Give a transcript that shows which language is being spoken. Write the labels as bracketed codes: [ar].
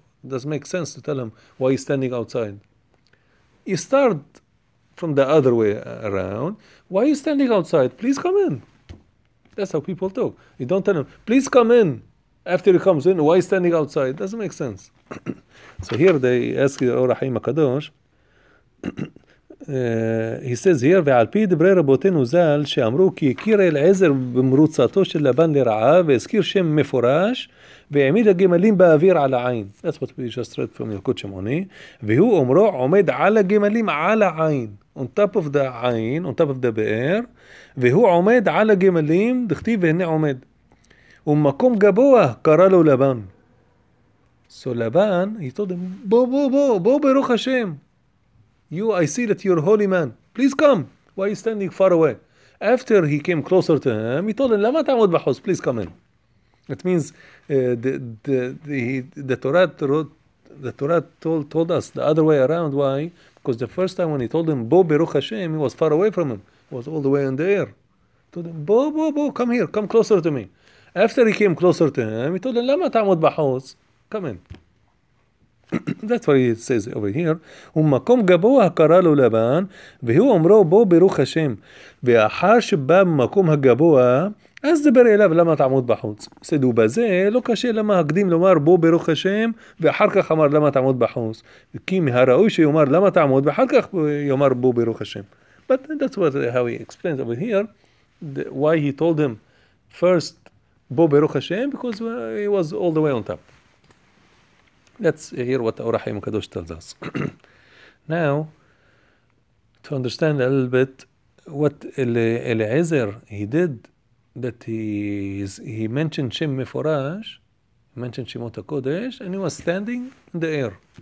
[en] Doesn't make sense to tell him why he's standing outside. You start from the other way around. Why are you standing outside? Please come in. That's how people talk. You don't tell him, please come in. After he comes in, why are you standing outside? Doesn't make sense. So here they ask the Or HaChaim HaKadosh. He says here, [he] ועל פי דברי רבותינו ז"ל שאמרו כי הכיר אליעזר במרוצתו של לבן לרעה והזכיר שם מפורש והעמיד הגמלים באוויר על העין. [en] That's what we just read from ילקוט שמעוני. [he] והוא אומרו עומד על הגמלים על העין. [en] On top of the עין, on top of the באר. [he] והוא עומד על הגמלים, דכתיב והנה עומד. ומקום גבוה קרא לו לבן. [en] So לבן, he told him, [he] בוא ברוך השם. [en] You, I see that you're a holy man. Please come. Why are you standing far away? After he came closer to him, he told him, [he] "Lama ta'amud b'chutz." [en] Please come in. It means the Torah told us the other way around. Why? Because the first time when he told him, [he] "Bo beruch Hashem," [en] he was far away from him. He was all the way in the air. He told him, "Bo, come here. Come closer to me." After he came closer to him, he told him, [he] "Lama ta'amud b'chutz." [en] Come in. That's what he says over here. [he] ומקום גבוה קרא לו לבן, והוא אומרו בו ברוך השם. ואחר שבא במקום הגבוה, אז דבר אליו למה תעמוד בחוץ. said, ובזה לא קשה למה הקדים לומר בו ברוך השם, ואחר כך אמר למה תעמוד בחוץ. כי מהראוי שיאמר למה תעמוד, ואחר כך יאמר בו ברוך השם. [en] But that's what, how he explains over here, why he told him first [he] בו ברוך השם, [en] because he was all the way on top. Let's hear what Or HaChaim HaKadosh tells us. Now, to understand a little bit what Eliezer he did, that he mentioned Shem Meforash, mentioned Shemot HaKodesh, and he was standing in the air.